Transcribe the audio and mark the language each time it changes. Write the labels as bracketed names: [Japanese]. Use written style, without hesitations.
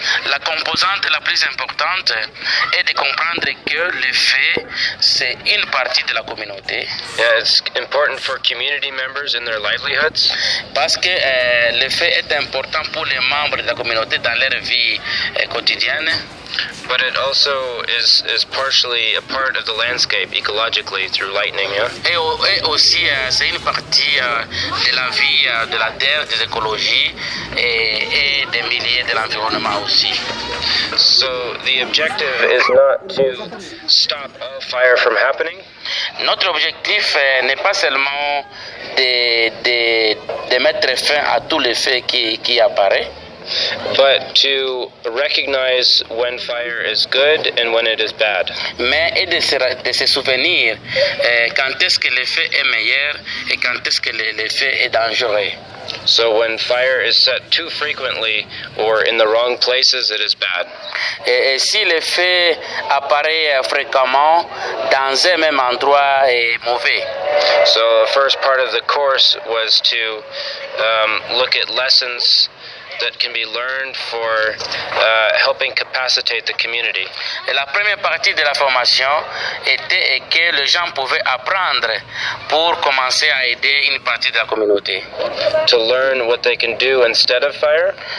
[French] La composante la plus importante est de comprendre que le feu c'est une partie de la communauté. [English] Yeah, it's important for community members in their livelihoods. [French] Parce que le feu est important pour les membres de la communauté dans leur vie quotidienne. [English] But it also is partially a part of the landscape ecologically through lightning, yeah? [French] Et aussi c'est une partie de la vie de la terre, des écologies et des milliers de l'environnement aussi. [English] So the objective is not to stop a fire from happening. [French] Notre objectif n'est pas seulement de mettre fin à tous les feux qui apparaissent. [English] But to recognize when fire is good and when it is bad. [French] Mais et de se souvenir quand est-ce que le feu est meilleur et quand est-ce que le feu est dangereux. [English] So when fire is set too frequently or in the wrong places, it is bad. [French] Et si le feu apparaît fréquemment dans un même endroit est mauvais. [English] So the first part of the course was to look at lessons that can be learned for helping capacitate the community. [French] Et la première partie de la formation était que les gens pouvaient apprendre pour commencer à aider une partie de la communauté. [English] To learn what they can do instead of fire.